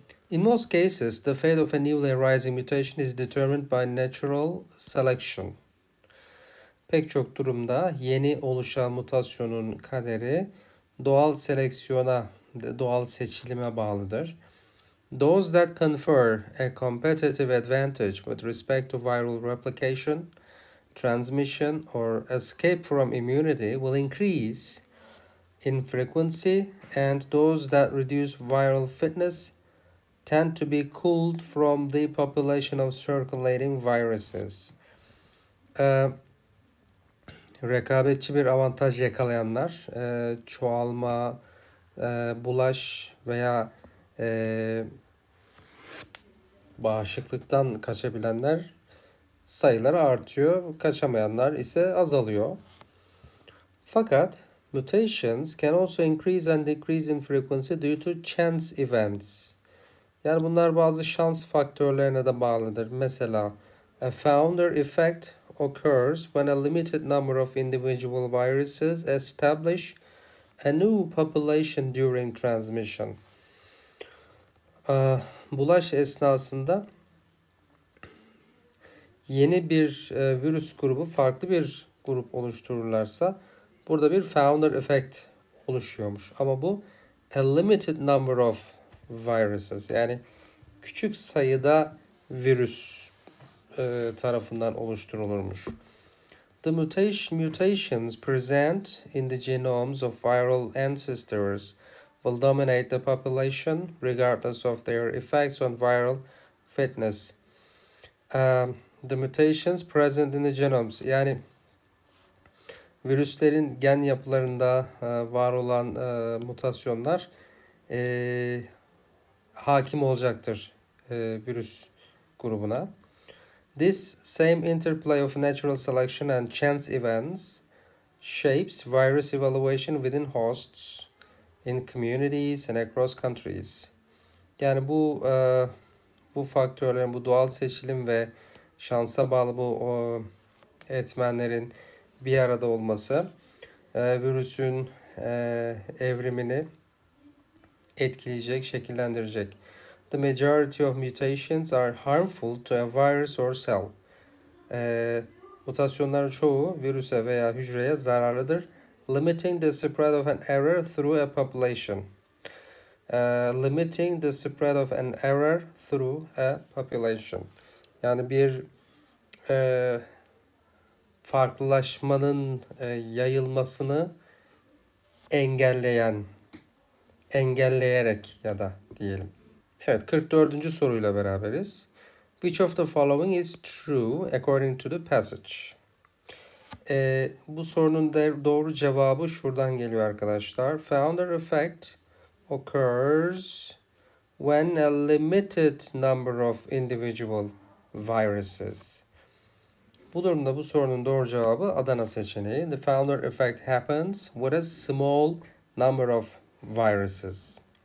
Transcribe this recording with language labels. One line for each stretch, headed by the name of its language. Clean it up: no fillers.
English: In most cases, the fate of a newly arising mutation is determined by natural selection.
Turkish: Pek çok durumda yeni oluşan mutasyonun kaderi doğal seleksiyona, doğal seçilime bağlıdır.
English: Those that confer a competitive advantage with respect to viral replication, transmission or escape from immunity will increase in frequency and those that reduce viral fitness tend to be culled from the population of circulating viruses.
Turkish: Rekabetçi bir avantaj yakalayanlar, çoğalma, bulaş veya bağışıklıktan kaçabilenler sayıları artıyor, kaçamayanlar ise azalıyor. Fakat
English: mutations can also increase and decrease in frequency due to chance events.
Turkish: Yani bunlar bazı şans faktörlerine de bağlıdır. Mesela
English: a founder effect occurs when a limited number of individual viruses establish a new population during transmission.
Turkish: Bulaş esnasında yeni bir virüs grubu farklı bir grup oluştururlarsa burada bir founder effect oluşuyormuş. Ama bu
English: a limited number of viruses
Turkish: yani küçük sayıda virüs tarafından oluşturulurmuş.
English: The mutations present in the genomes of viral ancestors will dominate the population regardless of their effects on viral fitness. The mutations present in the genomes
Turkish: yani virüslerin gen yapılarında var olan mutasyonlar hakim olacaktır virüs grubuna.
English: This same interplay of natural selection and chance events shapes virus evaluation within hosts, in communities and across countries.
Turkish: Yani bu bu faktörlerin, bu doğal seçilim ve şansa bağlı bu etmenlerin bir arada olması virüsün evrimini etkileyecek, şekillendirecek.
English: The majority of mutations are harmful to a virus or cell.
Turkish: Mutasyonların çoğu virüse veya hücreye zararlıdır.
English: Limiting the spread of an error through a population. Limiting the spread of an error through a population.
Turkish: Yani bir farklılaşmanın yayılmasını engelleyerek ya da diyelim. Evet, 44. soruyla beraberiz.
English: Which of the following is true according to the passage?
Turkish: Bu sorunun doğru cevabı şuradan geliyor arkadaşlar.
English: Founder effect occurs when a limited number of individual viruses.
Turkish: Bu durumda bu sorunun doğru cevabı Adana seçeneği.
English: The founder effect happens with a small number of viruses.